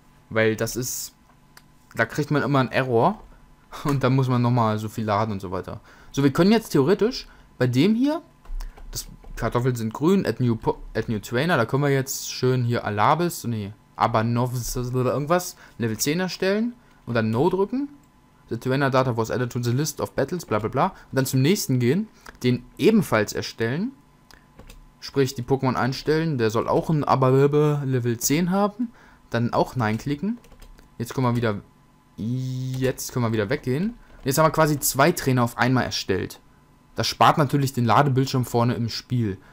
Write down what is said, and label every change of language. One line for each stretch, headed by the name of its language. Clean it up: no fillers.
German: Weil das ist, da kriegt man immer einen Error und da muss man nochmal so viel laden und so weiter. So, wir können jetzt theoretisch bei dem hier, das Kartoffeln sind grün, add new Trainer, da können wir jetzt schön hier Alabis, nee, Abanovs oder irgendwas, Level 10 erstellen und dann No drücken.
English: The Trainer Data was added to the list of battles, bla bla bla.
German: Und dann zum nächsten gehen, den ebenfalls erstellen. Sprich, die Pokémon einstellen, der soll auch ein Abababa Level 10 haben. Dann auch Nein klicken. Jetzt können wir wieder weggehen. Und jetzt haben wir quasi zwei Trainer auf einmal erstellt. Das spart natürlich den Ladebildschirm vorne im Spiel.